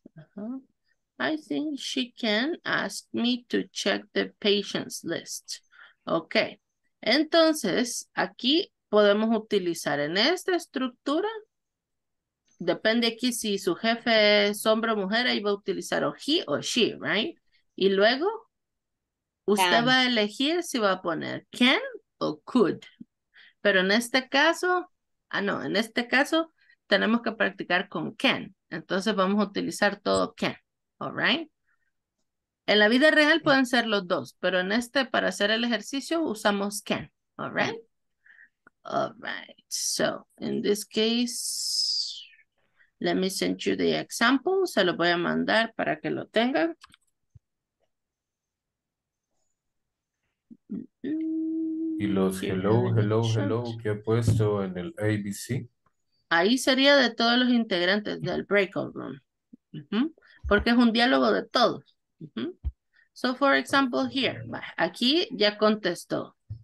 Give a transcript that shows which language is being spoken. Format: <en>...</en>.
<en>Uh-huh. I think she can ask me to check the patients list. Ok.</en> <es>Entonces, aquí podemos utilizar en esta estructura, depende aquí si su jefe es hombre o mujer, ahí va a utilizar o he o she, right? Y luego, usted va a elegir si va a poner can o could. Pero en este caso, en este caso tenemos que practicar con can. Entonces vamos a utilizar todo can, all right? En la vida real pueden ser los dos, pero en este, para hacer el ejercicio, usamos can, all right?</es> <en>All right, so in this case, let me send you the example.</en> <es>Se lo voy a mandar para que lo tengan. Y los hello, que he puesto en el ABC. Ahí sería de todos los integrantes del breakout room. Uh-huh. Porque es un diálogo de todos. Uh-huh.</es> <en>So for example here,</en> <es>aquí ya contestó.</es>